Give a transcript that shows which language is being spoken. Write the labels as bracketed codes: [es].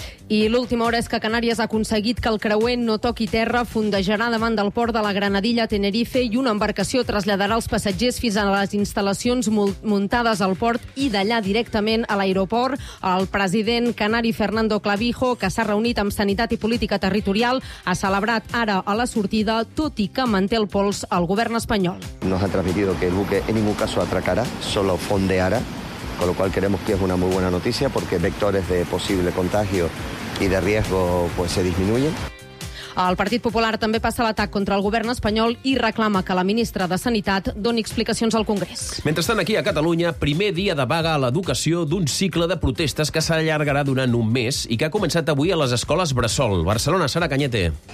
[ca] I l'última hora és que Canàries ha aconseguit que el creuer no toqui terra, fondejarà davant del port de la Granadilla, Tenerife, i una embarcació traslladarà els passatgers fins a les instal·lacions muntades al port i d'allà directament a l'aeroport. El president canari Fernando Clavijo, que s'ha reunit amb Sanitat i Política Territorial, ha celebrat ara a la sortida, tot i que manté el pols al govern espanyol. [es] Nos ha transmitido que el buque en ningún caso atracará, solo fondeará. Con lo cual creemos que es una muy buena noticia porque vectores de posible contagio y de riesgo pues se disminuyen. [ca] El Partit Popular també passa l'atac contra el govern espanyol i reclama que la ministra de Sanitat doni explicacions al Congrés. Mentrestant, aquí a Catalunya, primer dia de vaga a l'educació d'un cicle de protestes que s'allargarà durant un mes i que ha començat avui a les escoles Bressol. Barcelona, Sara Canyete.